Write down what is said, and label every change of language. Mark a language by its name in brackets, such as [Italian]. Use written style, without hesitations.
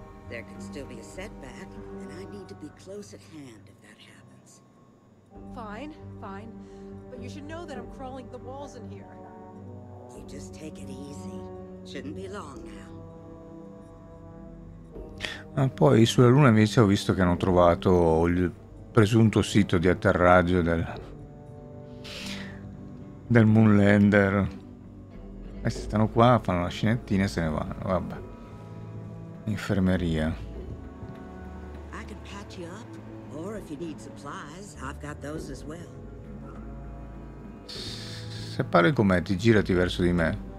[English] There could still be a setback, and I need to be close at hand if that happens. Fine, fine. But you should know that I'm crawling the walls in here. You just take it easy. Shouldn't be long now. [Italian] Ah, poi sulla Luna invece ho visto che hanno trovato il presunto sito di atterraggio del Moon Lander. E se stanno qua, fanno la scenettina e se ne vanno. Vabbè. Infermeria. [English] I can patch you up, or if you need supplies, I've got those as well. [Italian] Se parli con me, ti girati verso di me.